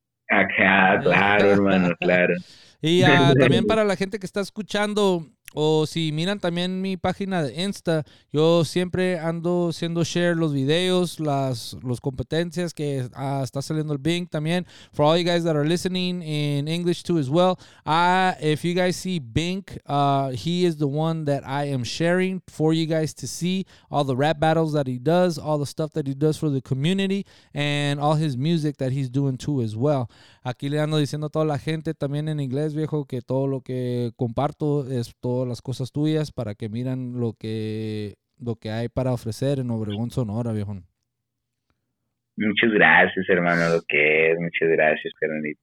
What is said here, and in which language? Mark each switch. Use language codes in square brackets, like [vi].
[es] Acá, claro, hermano, claro. Y también para la gente que está escuchando, o si miran también mi página de Insta, yo siempre ando haciendo share los videos, las competencias que está saliendo el Bink también. [en] For all you guys that are listening in English too as well, if you guys see Bink, he is the one that I am sharing for you guys to see all the rap battles that he does, all the stuff that he does for the community, and all his music that he's doing too as well. [es] Aquí le ando diciendo a toda la gente también en inglés, viejo, que todo lo que comparto es todas las cosas tuyas para que miran lo que hay para ofrecer en Obregón, Sonora, viejo. Muchas gracias, hermano, lo que es. Muchas gracias, carnalito.